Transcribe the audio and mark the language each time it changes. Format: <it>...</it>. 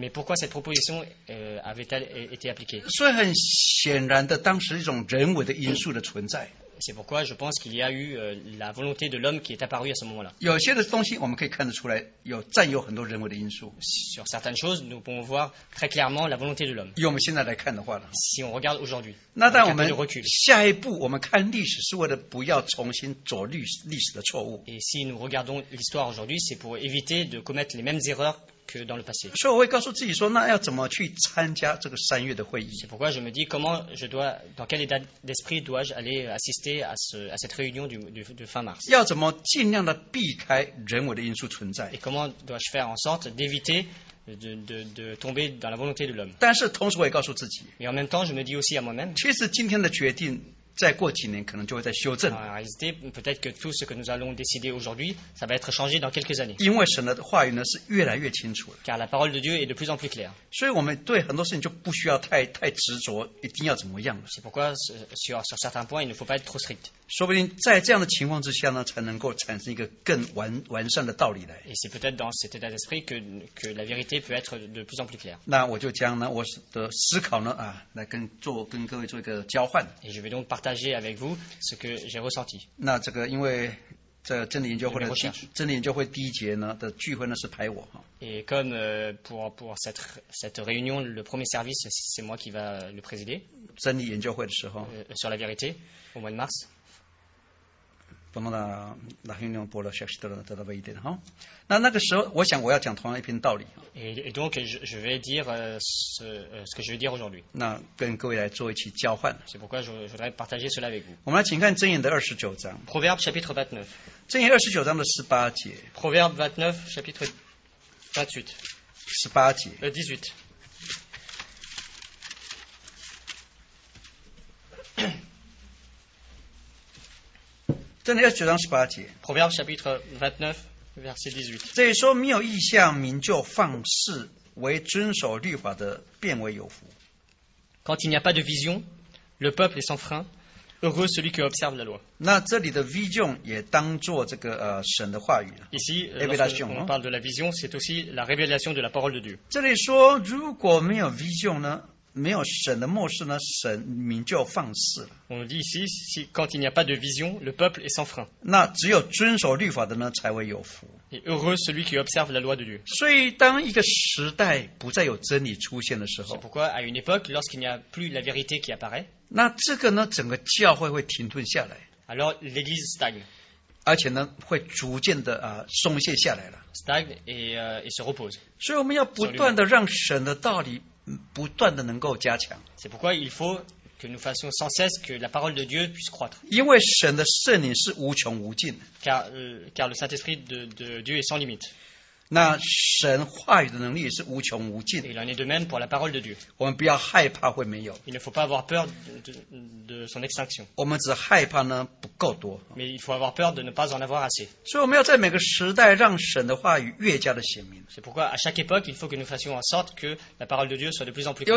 <fr>Mais pourquoi cette proposition avait-elle été appliquée?</fr> <zh>所以很显然的，当时一种人为的因素的存在。</zh> <fr>C'est pourquoi je pense qu'il y a eu la volonté de l'homme qui est apparue à ce moment-là.</fr> <zh>有些的东西我们可以看得出来，有占有很多人为的因素。</zh> <fr>Sur certaines choses, nous pouvons voir très clairement la volonté de l'homme.</fr> <zh>以我们现在来看的话呢</zh> <fr>？Si on regarde aujourd'hui,</fr> <zh>那但我们下一步我们看历史是为了不要重新走历史的错误。</zh> <fr>Et si nous regardons l'histoire aujourd'hui, c'est pour éviter de commettre les mêmes erreurs. Que dans le passé.</fr> <zh>所以我会告诉自己说，那要怎么去参加这个三月的会议</zh> <fr>？C'est pourquoi je me dis comment je dois, dans quel état d'esprit dois-je aller assister à cette réunion du fin mars？</fr> <zh>要怎么尽量的避开人为的因素存在</zh> <fr>？Et comment dois-je faire en sorte d'éviter de tomber dans la volonté de l'homme？</fr> <zh>但是同时我也告诉自己</zh> <fr>，Et en même temps je me dis aussi à moi-même，</fr> <zh>其实今天的决定。再过几年，可能就会再修正。</zh> <fr>En réalité, peut-être que tout ce que nous allons décider aujourd'hui, ça va être changé dans quelques années.</fr> <zh>因为神的话语呢是越来越清楚了。</zh> <fr>Car la parole de Dieu est de plus en plus claire.</fr> <zh>所以我们对很多事情就不需要太执着，一定要怎么样了。</zh> <fr>C'est pourquoi sur certains points, il ne faut pas être trop strict.</fr> <zh>说不定在这样的情况之下呢，才能够产生一个更完善的道理来。</zh> <fr>Et c'est peut-être dans cet état d'esprit que la vérité peut être de plus en plus claire.</fr> <zh>那我就将呢我的思考呢啊，来跟各位做一个交换。</zh> <fr>Et je vais donc partager avec vous ce que j'ai ressenti.</fr> <zh>那这个因为这真理研究会的真理研究会第一节呢的聚会呢是排我。</zh> <fr>Et comme pour cette réunion, le premier service, c'est moi qui va le présider.</fr> <zh>真理研究会的时候。</zh> <fr>Sur la vérité, au mois de mars. Pendant la réunion pour le chercher de la vérité, hein.</fr> <zh>那个时候，我想我要讲同样一篇道理。</zh> <fr>Et donc je vais dire ce que je vais dire aujourd'hui.</fr> <zh>那跟各位来做一起交换。</zh> <fr>C'est pourquoi je voudrais partager cela avec vous.</fr> <zh>我们来请看箴言的二十九章。</zh> <fr>Proverbe chapitre 29.</fr> <zh>箴言二十九章的十八节。</zh> <fr>Proverbe 29 chapitre 28.</fr> <zh>十八节。</zh> <fr>18.</fr> <zh>真的要九章十八节。</zh> <fr>Proverbe chapitre 29 verset 18.</fr> <zh>这里说没有意象，民就放肆，为遵守律法的变为有福。</zh> <fr>Quand il n'y a pas de vision, le peuple est sans frein. Heureux celui qui observe la loi.</fr> <zh>那这里的vision也当作这个神的话语。Ici,</zh> <fr>révélation, lorsqu'on parle de la vision, c'est aussi la révélation de la parole de Dieu.</fr> <zh>这里说如果没有vision呢？没有神的漠视呢, 神民就放肆了。</zh> <fr>On dit ici, si, quand il n'y a pas de vision, le peuple est sans frein.</fr> <zh>那只有遵守律法的呢, 才会有福。</zh> <fr>Et heureux celui qui observe la loi de Dieu.</fr> <zh>所以当一个时代不再有真理出现的时候,</zh> <fr>c'est pourquoi à une époque, lorsqu'il n'y a plus la vérité qui apparaît,</fr> <zh>那这个呢, 整个教会会停顿下来,</zh> <fr>alors l'église stagne.</fr> <zh>而且呢, 会逐渐的, 松懈下来了。</zh> <fr>Stagne et se repose.</fr> <zh>所以我们要不断地让神的道理</zh> <fr>C'est pourquoi il faut que nous fassions sans cesse que la parole de Dieu puisse croître.</fr> <zh>因为神的圣灵是无穷无尽,</zh> <fr>car le Saint-Esprit de Dieu est sans limite.</fr> <zh>那神话语的能力是无穷无尽,</zh> <fr>et il en est de même pour la parole de Dieu.</fr> <zh>我们不要害怕会没有,</zh> <fr>il ne faut pas avoir peur de son extinction.</fr> <zh>我们只害怕呢, 不够多,</zh> <fr>mais il faut avoir peur de ne pas en avoir assez.</fr> <zh>所以我们要在每个时代让神的话语越加的显明。</zh> <fr>C'est pourquoi à chaque époque, il faut que nous fassions en sorte que la parole de Dieu soit de plus en plus claire.</fr>